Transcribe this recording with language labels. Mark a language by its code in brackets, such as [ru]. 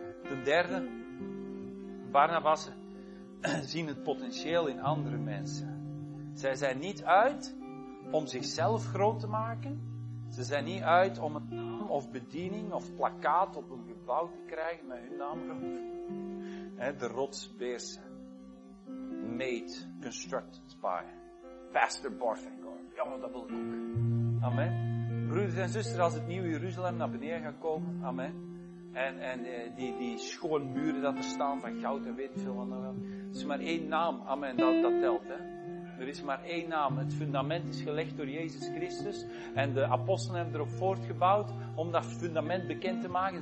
[nl] Ten derde, Barnabassen zien het potentieel in andere mensen. Zij zijn niet uit om zichzelf groot te maken. Ze zijn niet uit om een naam of bediening of plakkaat op een gebouw te krijgen met hun naam erop. De rotsbeersen. [en] Made, constructed by Pastor Barfinger. [nl] Jongen, dat wil ik ook. Amen. Broeders en zusters, als het nieuwe Jeruzalem naar beneden gaat komen, amen. En die schone muren dat er staan van goud en weet veel wat nog wel. Er is maar één naam, amen, dat telt. Hè. Er is maar één naam. Het fundament is gelegd door Jezus Christus. En de apostelen hebben erop voortgebouwd om dat fundament bekend te maken.